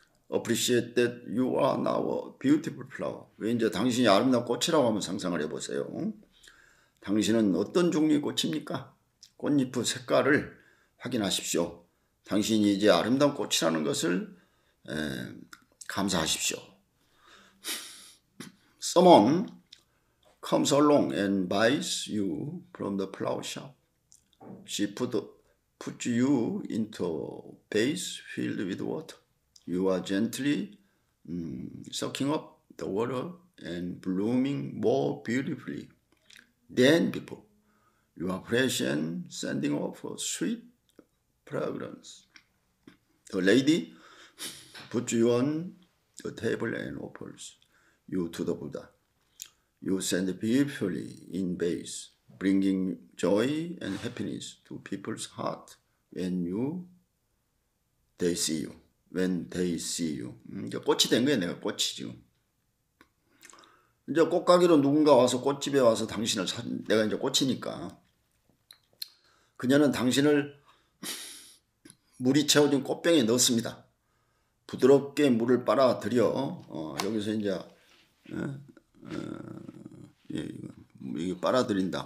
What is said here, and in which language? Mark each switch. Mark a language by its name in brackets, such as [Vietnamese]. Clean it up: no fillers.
[English] Appreciate that you are now a beautiful flower. [Korean] 왜 이제 당신이 아름다운 꽃이라고 한번 상상을 해보세요. 당신은 어떤 종류의 꽃입니까? 꽃잎의 색깔을 확인하십시오. 당신이 이제 아름다운 꽃이라는 것을 감사하십시오. [English] Someone comes along and buys you from the flower shop. She puts you into a vase filled with water. You are gently sucking up the water and blooming more beautifully than before. You are fresh and sending off a sweet fragrance. The lady puts you on the table and offers you to the Buddha. You send beautifully in vase, bringing joy and happiness to people's heart they see you. When they see you. [Korean] 이제 꽃이 된 거야, 내가 꽃이 지금. 이제 꽃가게로 누군가 와서 꽃집에 와서 당신을 내가 이제 꽃이니까. 그녀는 당신을 물이 채워진 꽃병에 넣습니다. 부드럽게 물을 빨아들여, 여기서 이제, 이게 빨아들인다.